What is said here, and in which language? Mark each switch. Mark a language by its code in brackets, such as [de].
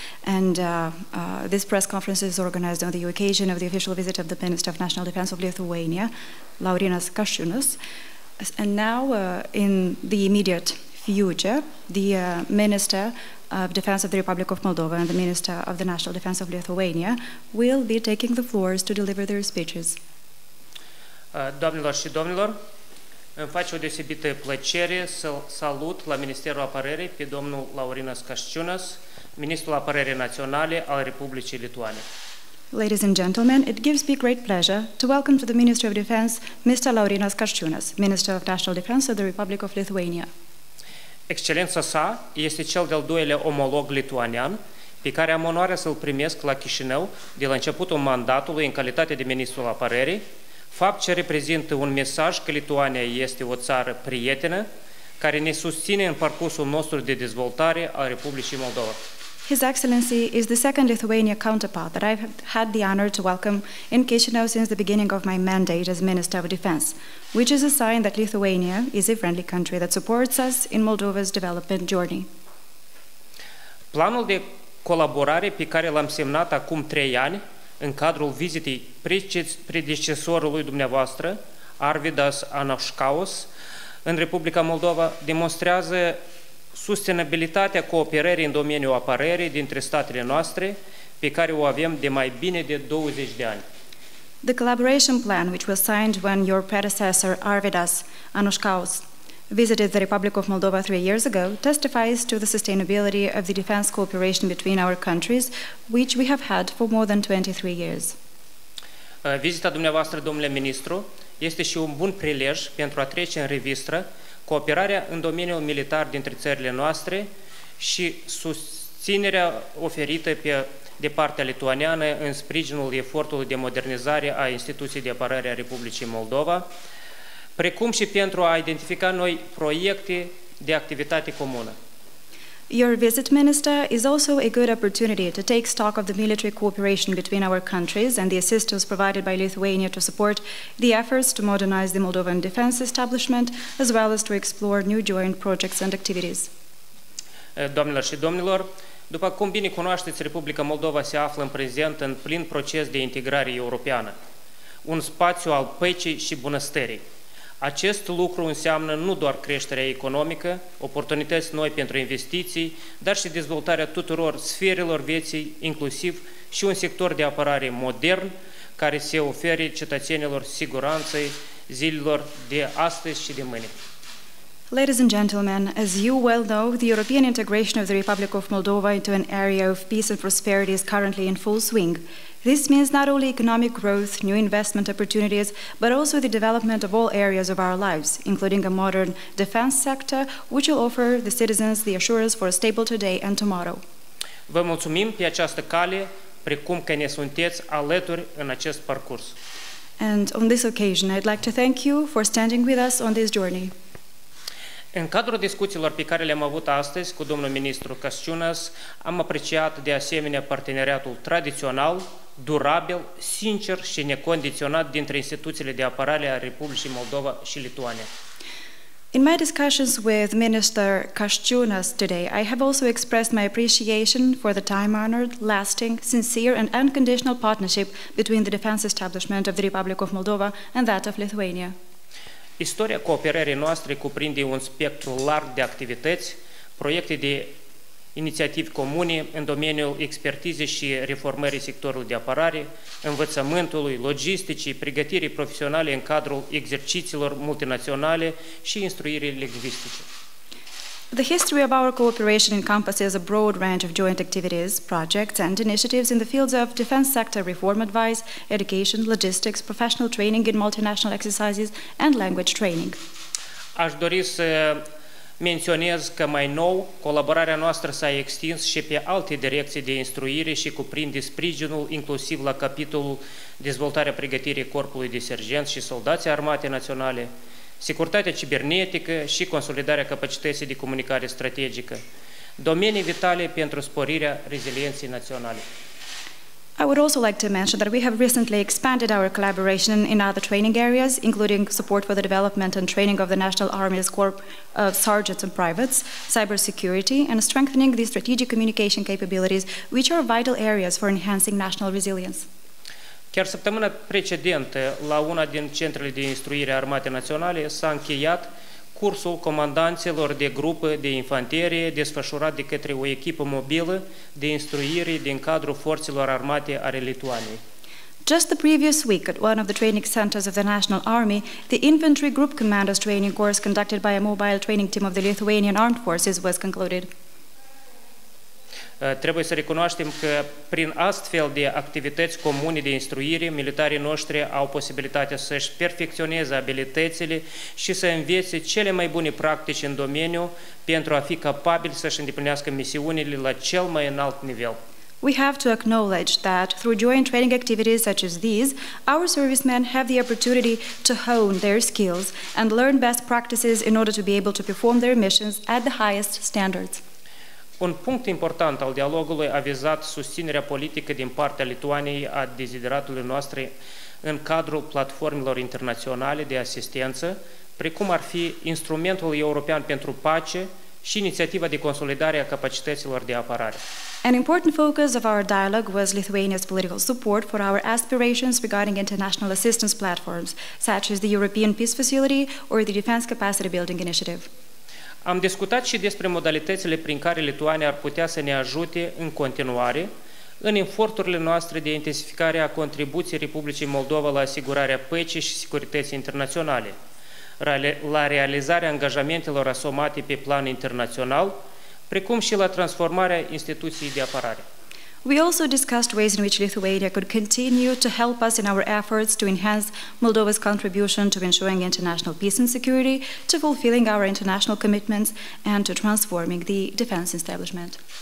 [en] And this press conference is organized on the occasion of the official visit of the Minister of National Defense of Lithuania, Laurinas Kasčiūnas. And now, in the immediate future, the Minister of Defense of the Republic of Moldova and the Minister of the National Defense of Lithuania will be taking the floors to deliver their speeches. [ro] Doamnelor și domnilor, îmi face o deosebită plăcere să salut la Ministerul Apărării pe domnul Laurinas Kasčiūnas, Ministrul Apărării Naționale al Republicii Lituania. [en] Ladies and gentlemen, it gives me great pleasure to welcome to the Ministry of Defense Mr. Laurinas Kasčiūnas, Minister of National Defense of the Republic of Lithuania. [ro] Excelența sa este cel de-al doilea omolog lituanian pe care am onoarea să-l primesc la Chișinău de la începutul mandatului în calitate de Ministrul Apărării, fapt ce reprezintă un mesaj că Lituania este o țară prietenă care ne susține în parcursul nostru de dezvoltare a Republicii Moldova. [en] His Excellency is the second Lithuania counterpart that I've had the honor to welcome in Chișinău since the beginning of my mandate as Minister of Defense, which is a sign that Lithuania is a friendly country that supports us in Moldova's development journey. [ro] Planul de colaborare pe care l-am semnat acum 3 ani în cadrul vizitei predecesorului dumneavoastră, Arvydas Anuškauskas, în Republica Moldova, demonstrează sustenabilitatea cooperării în domeniul apărării dintre statele noastre, pe care o avem de mai bine de 20 de ani. [en] The collaboration plan, which was signed when your predecessor, Arvydas Anuškauskas, visited the Republic of Moldova 3 years ago, testifies to the sustainability of the defense cooperation between our countries, which we have had for more than 23 years. [ro] Vizita dumneavoastră, domnule ministru, este și un bun prilej pentru a trece în revistă cooperarea în domeniul militar dintre țările noastre și susținerea oferită de partea lituaniană în sprijinul efortului de modernizare a instituției de apărare a Republicii Moldova, precum și pentru a identifica noi proiecte de activitate comună. [en] Your visit, Minister, is also a good opportunity to take stock of the military cooperation between our countries and the assistance provided by Lithuania to support the efforts to modernize the Moldovan defense establishment, as well as to explore new joint projects and activities. [ro] Doamnelor și domnilor, după cum bine cunoașteți, Republica Moldova se află în prezent în plin proces de integrare europeană, un spațiu al păcii și bunăstării. Acest lucru înseamnă nu doar creșterea economică, oportunități noi pentru investiții, dar și dezvoltarea tuturor sferelor vieții, inclusiv și un sector de apărare modern, care se ofere cetățenilor siguranței zilelor de astăzi și de mâine. [en] Ladies and gentlemen, as you well know, the European integration of the Republic of Moldova into an area of peace and prosperity is currently in full swing. This means not only economic growth, new investment opportunities, but also the development of all areas of our lives, including a modern defense sector, which will offer the citizens the assurance for a stable today and tomorrow. [ro] Vă mulțumim pe această cale, precum că ne sunteți alături în acest parcurs. [en] And on this occasion, I'd like to thank you for standing with us on this journey. [ro] În cadrul discuțiilor pe care le-am avut astăzi cu domnul ministru Kasčiūnas, am apreciat de asemenea parteneriatul tradițional, durabil, sincer și necondiționat dintre instituțiile de apărare a Republicii Moldova și Lituania. [en] In my discussions with Minister Kasčiūnas today, I have also expressed my appreciation for the time-honored, lasting, sincere and unconditional partnership between the defense establishment of the Republic of Moldova and that of Lithuania. [ro] Istoria cooperării noastre cuprinde un spectru larg de activități, proiecte de inițiativi comune în domeniul expertizei și reformării sectorului de apărare, învățământului, logisticii, pregătirii profesionale în cadrul exercițiilor multinaționale și instruirii lingvistice. [en] The history of our cooperation encompasses a broad range of joint activities, projects and initiatives in the fields of defense sector reform advice, education, logistics, professional training in multinational exercises and language training. [ro] Aș dori să menționez că mai nou colaborarea noastră s-a extins și pe alte direcții de instruire și cuprinde sprijinul inclusiv la capitolul dezvoltarea pregătirii corpului de sergenți și soldații armate naționale, securitatea cibernetică și consolidarea capacității de comunicare strategică, domenii vitale pentru sporirea rezilienței naționale. [en] I would also like to mention that we have recently expanded our collaboration in other training areas, including support for the development and training of the National Army's Corps of Sergeants and Privates, cybersecurity, and strengthening the strategic communication capabilities, which are vital areas for enhancing national resilience. [ro] Chiar săptămâna precedentă, la una din centrele de instruire a Armatei Naționale, s-a încheiat cursul comandanților de grupă de infanterie desfășurat de către o echipă mobilă de instruire din cadrul Forțelor Armate ale Lituaniei. [en] Just the previous week, at one of the training centers of the National Army, the Infantry Group Commanders Training Course conducted by a mobile training team of the Lithuanian Armed Forces was concluded. [ro] Trebuie să recunoaștem că prin astfel de activități comune de instruire, militarii noștri au posibilitatea să-și perfecționeze abilitățile și să învețe cele mai bune practici în domeniu pentru a fi capabili să-și îndeplinească misiunile la cel mai înalt nivel. [en] We have to acknowledge that through joint training activities such as these, our servicemen have the opportunity to hone their skills and learn best practices in order to be able to perform their missions at the highest standards. [ro] Un punct important al dialogului a vizat susținerea politică din partea Lituaniei a dezideratului nostru în cadrul platformelor internaționale de asistență, precum ar fi Instrumentul European pentru Pace și Inițiativa de Consolidare a Capacităților de Apărare. [en] An important focus of our dialogue was Lithuania's political support for our aspirations regarding international assistance platforms, such as the European Peace Facility or the Defense Capacity Building Initiative. [ro] Am discutat și despre modalitățile prin care Lituania ar putea să ne ajute în continuare în eforturile noastre de intensificare a contribuției Republicii Moldova la asigurarea păcii și securității internaționale, la realizarea angajamentelor asumate pe plan internațional, precum și la transformarea instituției de apărare. [en] We also discussed ways in which Lithuania could continue to help us in our efforts to enhance Moldova's contribution to ensuring international peace and security, to fulfilling our international commitments, and to transforming the defense establishment.